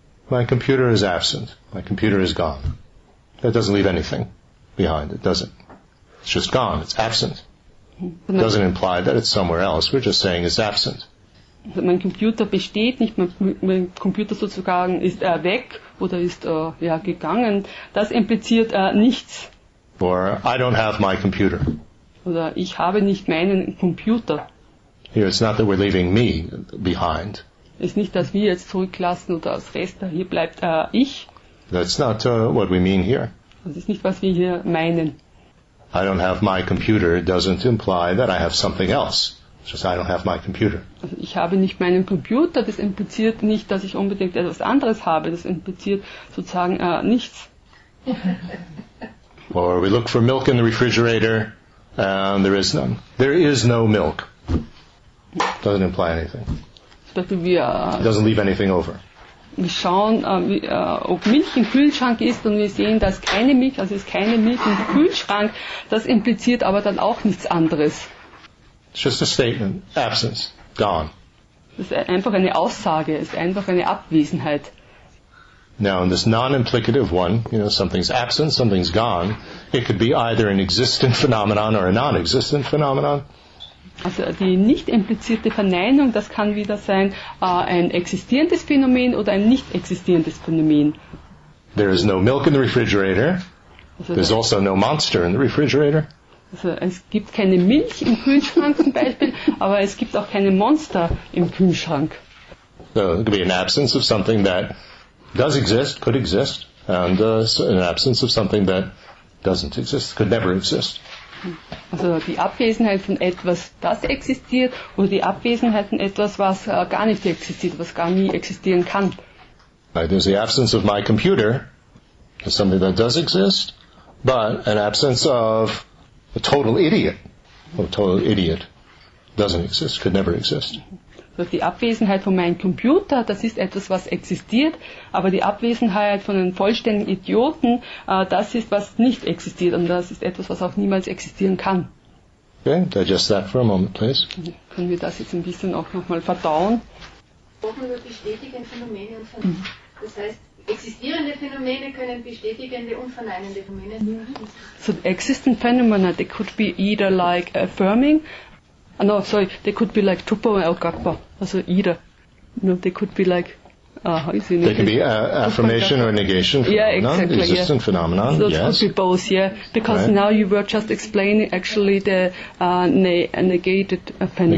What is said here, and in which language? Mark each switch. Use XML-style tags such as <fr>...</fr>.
<en>My computer is absent. My computer is gone. That doesn't leave anything behind it, does it? It's just gone. It's absent. It doesn't imply that it's somewhere else. We're just saying it's absent.</en> <de>Mein Computer besteht nicht, mein Computer sozusagen ist weg oder ist gegangen. Das impliziert nichts.</de> <en>Or I don't have my computer.</en> <de>Oder ich habe nicht meinen Computer.</de> <en>Here it's not that we're leaving me behind.</en> <de>Es ist nicht, dass wir jetzt zurücklassen oder als Rest, hier bleibt ich.</de> <en>That's not what we mean here.</en> <de>Das ist nicht, was wir hier meinen.</de> <en>I don't have my computer doesn't imply that I have something else. It's just I don't have my computer.</en> <de>Also ich habe nicht meinen Computer. Das impliziert nicht, dass ich unbedingt etwas anderes habe. Das impliziert sozusagen nichts.</de> <en>Or we look for milk in the refrigerator and there is none. There is no milk. It doesn't imply anything. It doesn't leave anything over.</en> <de>Wir schauen, ob Milch im Kühlschrank ist und wir sehen, dass keine Milch, also es ist keine Milch im Kühlschrank. Das impliziert aber dann auch nichts anderes.</de> <en>It's just a statement. Absence. Gone.</en> <de>Das ist einfach eine Aussage. Es ist einfach eine Abwesenheit.</de> <en>Now, in this non-implicative one, you know, something's absent, something's gone, it could be either an existent phenomenon or a non-existent phenomenon.</en> <de>Also die nicht implizierte Verneinung, das kann wieder sein ein existierendes Phänomen oder ein nicht existierendes Phänomen.</de> <en>There is no milk in the refrigerator. Also there's also no monster in the refrigerator.</en> <de>Also es gibt keine Milch im Kühlschrank zum Beispiel, aber es gibt auch keine Monster im Kühlschrank.</de> <en>So it could be an absence of something that does exist, could exist, and an absence of something that doesn't exist, could never exist.</en> <de>Also die Abwesenheit von etwas, das existiert, oder die Abwesenheit von etwas, was gar nicht existiert, was gar nie existieren kann.</de> <en>Right, there's the absence of my computer, is something that does exist, but an absence of a total idiot, or total idiot, doesn't exist, could never exist.</en> <de>Also die Abwesenheit von meinem Computer, das ist etwas, was existiert, aber die Abwesenheit von einem vollständigen Idioten, das ist, was nicht existiert und das ist etwas, was auch niemals existieren kann.</de> <en>Okay, digest that for a moment, please.</en> <de>Können wir das jetzt ein bisschen auch nochmal verdauen? Sprechen über bestätigende Phänomene und Verneinende. Das heißt, existierende Phänomene können bestätigende und verneinende Phänomene sein.</de> <en>So, existent phenomena, they could be either like affirming. Oh, no, sorry, they could be like Tupo or Gakpa, also either. No, they could be like, how is it? They can be affirmation or negation phenomenon, yeah, exactly, existent yeah. phenomenon, so yes. Could be both, yeah, because right. Now you were just explaining actually the negated phenomenon.</en>